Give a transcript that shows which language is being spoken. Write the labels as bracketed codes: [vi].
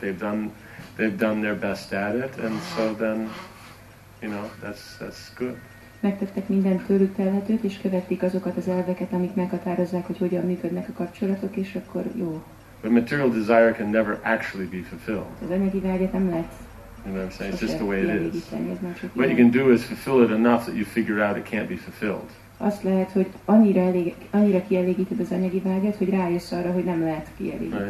[en] They've done their best at it, and so then, you know, that's good. [hu] Megtettek mindent tőlük telhetőt, és követték azokat az elveket, amik meghatározzák, hogy hogyan működnek a kapcsolatok, és akkor jó. [en] But material desire can never actually be fulfilled. [hu] Az anyagi vágyat nem lehet. [en] You know what I'm saying? It's just the way it is. What you can do is fulfill it enough that you figure out it can't be fulfilled. [hu] Azt lehet, hogy annyira kielégíted az anyagi vágyat, hogy rájössz arra, hogy nem lehet kielégíteni.